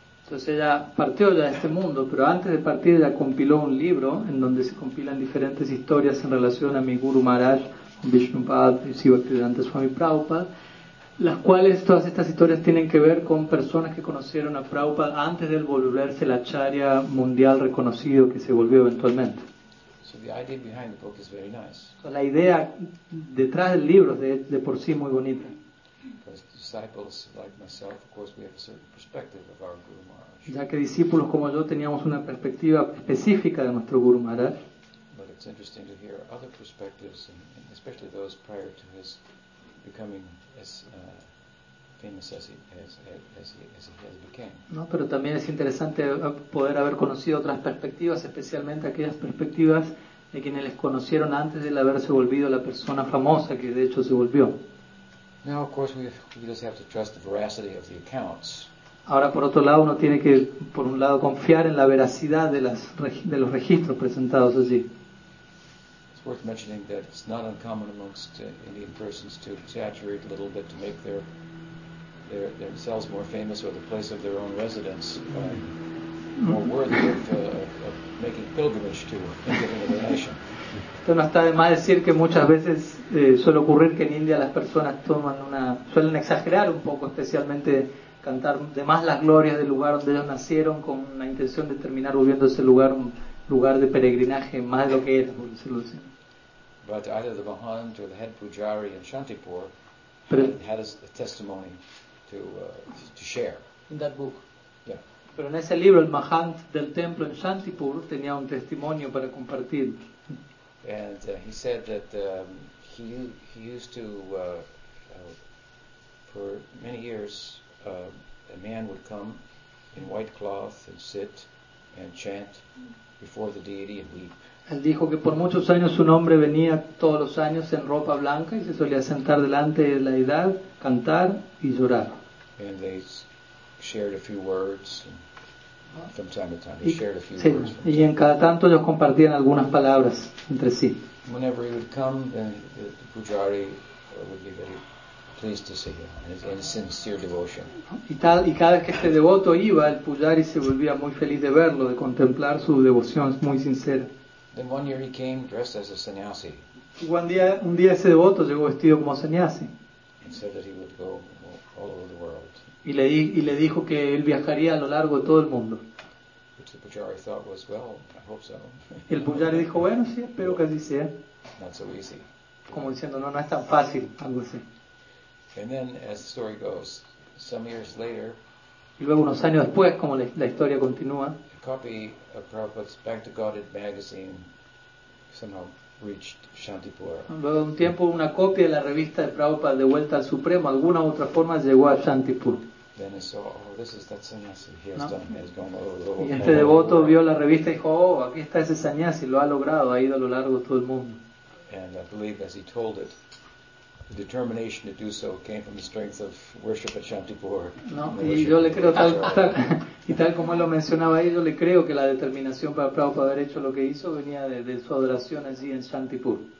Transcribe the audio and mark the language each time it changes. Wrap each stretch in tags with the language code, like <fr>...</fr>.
<es>Entonces ella partió ya de este mundo, pero antes de partir ella compiló un libro en donde se compilan diferentes historias en relación a mi Guru Maharaj, Vishnupad, Sri Bhaktivedanta Swami Prabhupada, las cuales, todas estas historias tienen que ver con personas que conocieron a Prabhupada antes de volverse el acharya mundial reconocido que se volvió eventualmente.</es> <en>So the idea behind the book is very nice.</en> <es>La idea detrás del libro es de por sí muy bonita.</es> <en>Disciples like myself, of course, we have a certain perspective of our Guru Maharaj.</en> <es>Ya que discípulos como yo teníamos una perspectiva específica de nuestro Guru Maharaj.</es> <en>But it's interesting to hear other perspectives, and especially those prior to his becoming as famous as he has become.</en> <es>No, pero también es interesante poder haber conocido otras perspectivas, especialmente aquellas perspectivas de quienes les conocieron antes de haberse volvido la persona famosa que de hecho se volvió.</es> <en>Now, of course, we just have to trust the veracity of the accounts.</en> <es>Ahora, por otro lado, uno tiene que, por un lado, confiar en la veracidad de las de los registros presentados allí.</es> <en>It's worth mentioning that it's not uncommon amongst Indian persons to exaggerate a little bit to make themselves more famous or the place of their own residence more worthy of making pilgrimage to and giving a donation.</en> <es>Entonces, no está de más decir que muchas veces suele ocurrir que en India las personas suelen exagerar un poco, especialmente cantar de más las glorias del lugar donde ellos nacieron con la intención de terminar volviendo ese lugar un lugar de peregrinaje más de lo que era, por decirlo así.</es> <en>But either the Mahant or the head pujari in Shantipur had a testimony to share. In that book. Yeah.</en> <es>Pero en ese libro el Mahant del templo en Shantipur tenía un testimonio para compartir.</es> <en>And he said that he used to for many years a man would come in white cloth and sit and chant before the deity and weep.</en> <es>Él dijo que por muchos años un hombre venía todos los años en ropa blanca y se solía sentar delante de la deidad, cantar y llorar.</es> <en>And they shared a few words and from time to time. He shared a few words.</en> <es>Y en cada tanto ellos compartían algunas palabras entre sí.</es> <en>Whenever he would come, then the pujari would be very pleased to see him and his sincere devotion.</en> <es>Y cada vez que este devoto iba, el pujari se volvía muy feliz de verlo, de contemplar su devoción muy sincera.</es> <en>Then one year he came dressed as a sannyasi.</en> <es>Un día ese devoto llegó vestido como sannyasi.</es> <en>And said that he would go all over the world.</en> <es>Y le dijo que él viajaría a lo largo de todo el mundo.</es> <en>Which the pujari thought was, well, I hope so.</en> <es>Y el pujari dijo, bueno, sí, espero que así sea.</es> <en>Not so easy.</en> <es>Como diciendo, no es tan fácil, algo así.</es> <en>And then, as the story goes, some years later,</en> <es>y luego unos años después, como la historia continúa,</es> <en>a copy of Prabhupada's Back to Godhead magazine somehow reached Shantipur.</en> <es>Luego de un tiempo, una copia de la revista de Prabhupada de Vuelta al Supremo, alguna otra forma llegó a Shantipur.</es> <en>Then he saw, oh, this is that sannyasi. He has done it. He has gone all over.</en> <es>Y este devoto vio la revista y dijo, oh, aquí está ese sannyasi. Lo ha logrado. Ha ido a lo largo de todo el mundo.</es> <en>And I believe, as he told it, the determination to do so came from the strength of worship at Shantipur.</en> <es>No, y yo le creo tal como él lo mencionaba ahí, yo le creo que la determinación para Prabhupada haber hecho lo que hizo venía de su adoración allí en Shantipur.</es>